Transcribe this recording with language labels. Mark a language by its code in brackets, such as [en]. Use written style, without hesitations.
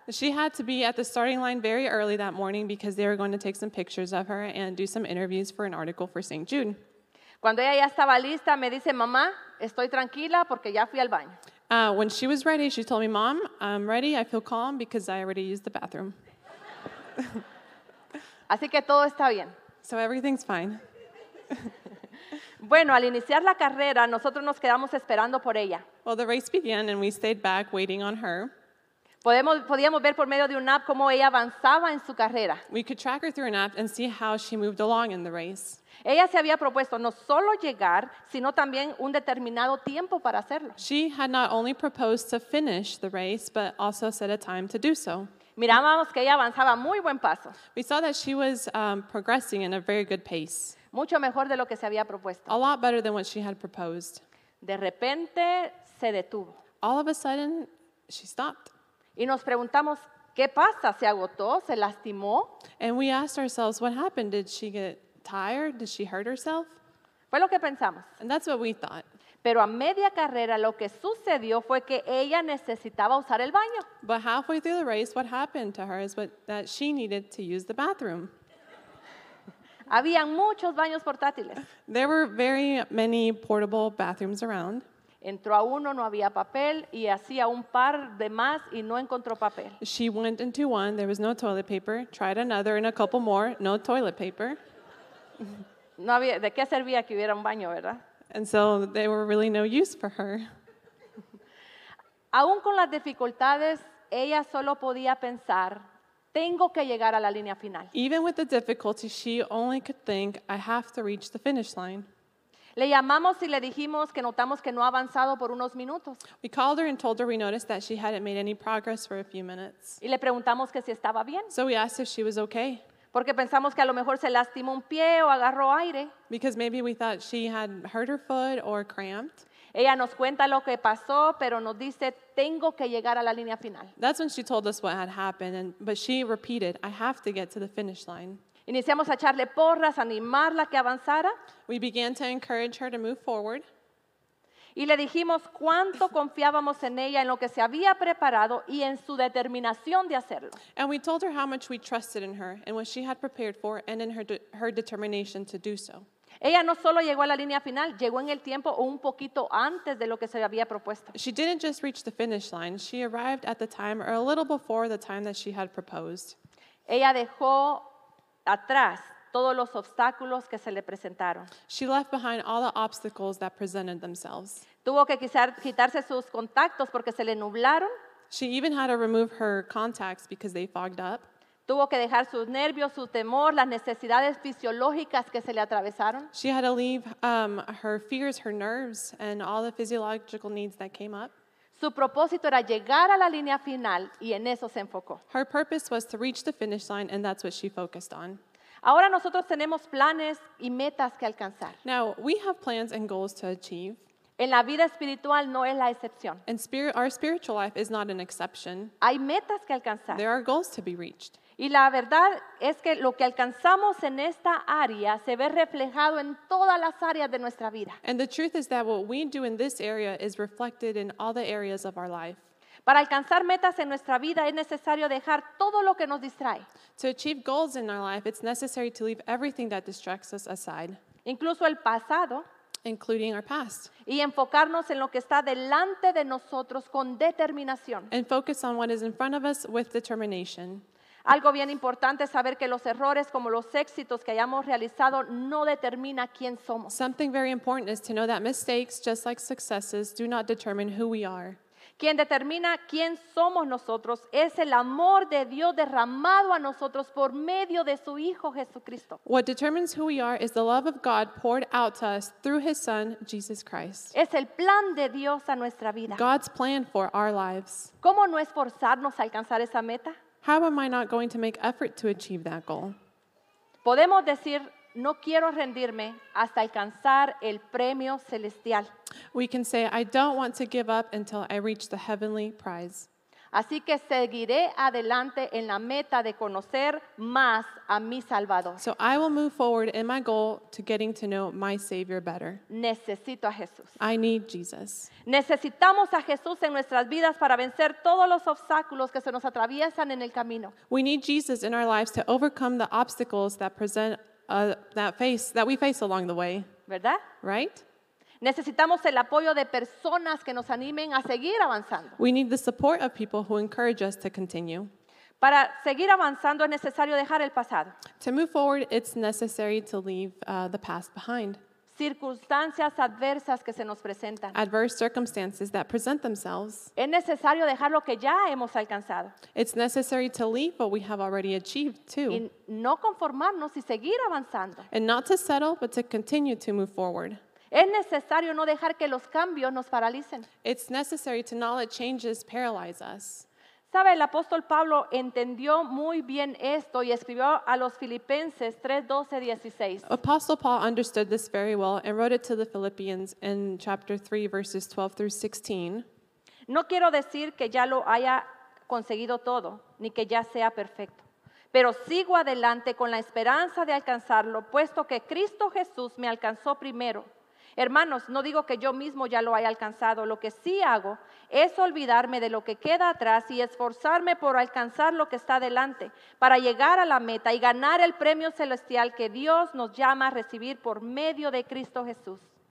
[en] She had to be at the starting line very early that morning because they were going to take some pictures of her and do some interviews for an article for St. Jude. [es] Cuando ella ya estaba lista, me dice, mamá, estoy tranquila porque ya fui al baño. [en] When she was ready, she told me, mom, I'm ready, I feel calm because I already used the bathroom. [es] Así que todo está bien. [en] So everything's fine. [es] Bueno, al iniciar la carrera, nosotros nos quedamos esperando por ella. [en] Well, the race began and we stayed back waiting on her. [es] Podíamos ver por medio de un app cómo ella avanzaba en su carrera. [en] We could track her through an app and see how she moved along in the race. [es] Ella se había propuesto no solo llegar, sino también un determinado tiempo para hacerlo. [en] She had not only proposed to finish the race, but also set a time to do so. [es] Mirábamos que ella avanzaba muy buen paso. [en] We saw that she was progressing in a very good pace. [es] Mucho mejor de lo que se había propuesto. [en] A lot better than what she had proposed. [es] De repente, se detuvo. [en] All of a sudden, she stopped. [es] Y nos preguntamos, ¿qué pasa? ¿Se agotó? ¿Se lastimó? [en] And we asked ourselves, what happened? Did she get tired? Did she hurt herself? [es] Fue lo que pensamos. [en] And that's what we thought. [es] Pero a media carrera, lo que sucedió fue que ella necesitaba usar el baño. [en] But halfway through the race, what happened to her is that she needed to use the bathroom. [es] Habían muchos baños portátiles. [en] There were very many portable bathrooms around. [es] Entró a uno, no había papel, y hacía un par de más y no encontró papel. [en] She went into one, there was no toilet paper, tried another and a couple more, no toilet paper. [es] No había, ¿de qué servía que hubiera un baño, verdad? [en] And so they were really no use for her. [es] Aún con las dificultades, ella solo podía pensar, tengo que llegar a la línea final. [en] Even with the difficulty, she only could think, I have to reach the finish line. [es] Le llamamos y le dijimos que notamos que no ha avanzado por unos minutos. [en] We called her and told her we noticed that she hadn't made any progress for a few minutes. [es] Y le preguntamos que si estaba bien. [en] So we asked if she was okay. [es] Porque pensamos que a lo mejor se lastimó un pie o agarró aire. [en] Because maybe we thought she had hurt her foot or cramped. [es] Ella nos cuenta lo que pasó, pero nos dice, tengo que llegar a la línea final. [en] That's when she told us what had happened, but she repeated, I have to get to the finish line. [es] Iniciamos a echarle porras, animarla que avanzara. [en] We began to encourage her to move forward. [es] Y le dijimos cuánto confiábamos en ella, en lo que se había preparado y en su determinación de hacerlo. [en] And we told her how much we trusted in her, and what she had prepared for, and in her determination to do so. [es] Ella no solo llegó a la línea final, llegó en el tiempo o un poquito antes de lo que se había propuesto. [en] She didn't just reach the finish line. She arrived at the time or a little before the time that she had proposed. [es] Ella dejó atrás todos los obstáculos que se le presentaron. [en] She left behind all the obstacles that presented themselves. [es] Tuvo que quitarse sus contactos porque se le nublaron. [en] She even had to remove her contacts because they fogged up. [es] Tuvo que dejar sus nervios, su temor, las necesidades fisiológicas que se le atravesaron. [en] She had to leave her fears, her nerves, and all the physiological needs that came up. [es] Su propósito era llegar a la línea final, y en eso se enfocó. [en] Her purpose was to reach the finish line, and that's what she focused on. [es] Ahora nosotros tenemos planes y metas que alcanzar. [en] Now, we have plans and goals to achieve. [es] En la vida espiritual no es la excepción. [en] And our spiritual life is not an exception. [es] Hay metas que alcanzar. [en] There are goals to be reached. [es] Y la verdad es que lo que alcanzamos en esta área se ve reflejado en todas las áreas de nuestra vida. [en] And the truth is that what we do in this area is reflected in all the areas of our life. [es] Para alcanzar metas en nuestra vida es necesario dejar todo lo que nos distrae. [en] To achieve goals in our life, it's necessary to leave everything that distracts us aside. [es] Incluso el pasado. [en] Including our past. [es] Y enfocarnos en lo que está delante de nosotros con determinación. [en] And focus on what is in front of us with determination. [es] Algo bien importante es saber que los errores como los éxitos que hayamos realizado no determina quién somos. [en] Something very important is to know that mistakes, just like successes, do not determine who we are. [es] Quien determina quién somos nosotros es el amor de Dios derramado a nosotros por medio de su Hijo Jesucristo. [en] What determines who we are is the love of God poured out to us through His Son, Jesus Christ. [es] Es el plan de Dios a nuestra vida. [en] God's plan for our lives. [es] ¿Cómo no esforzarnos a alcanzar esa meta? [en] How am I not going to make effort to achieve that goal? [es] Podemos decir, no quiero rendirme hasta alcanzar el premio celestial. [en] We can say, I don't want to give up until I reach the heavenly prize. [es] Así que seguiré adelante en la meta de conocer más a mi Salvador. [en] So I will move forward in my goal to getting to know my Savior better. [es] Necesito a Jesús. [en] I need Jesus. [es] Necesitamos a Jesús en nuestras vidas para vencer todos los obstáculos que se nos atraviesan en el camino. [en] We need Jesus in our lives to overcome the obstacles that present that we face along the way. [es] ¿Verdad? [en] Right? [es] Necesitamos el apoyo de personas que nos animen a seguir avanzando. [en] We need the support of people who encourage us to continue. [es] Para seguir avanzando es necesario dejar el pasado. [en] To move forward, it's necessary to leave the past behind. [es] Circunstancias adversas que se nos presentan. [en] Adverse circumstances that present themselves. [es] Es necesario dejar lo que ya hemos alcanzado. [en] It's necessary to leave what we have already achieved too. [es] Y no conformarnos y seguir avanzando. [en] And not to settle, but to continue to move forward. [es] Es necesario no dejar que los cambios nos paralicen. [en] It's necessary to not let changes paralyze us. [es] Sabe, el apóstol Pablo entendió muy bien esto y escribió a los Filipenses 3:12-16. [en] Apostle Paul understood this very well and wrote it to the Philippians in chapter 3, verses 12 through 16. [es] No quiero decir que ya lo haya conseguido todo, ni que ya sea perfecto. Pero sigo adelante con la esperanza de alcanzarlo, puesto que Cristo Jesús me alcanzó primero. Hermanos, no digo que yo mismo ya lo haya alcanzado. Lo que sí hago es olvidarme de lo que queda atrás y esforzarme por alcanzar lo que está delante para llegar a la meta y ganar el premio celestial que Dios nos llama a recibir por medio de Cristo Jesús.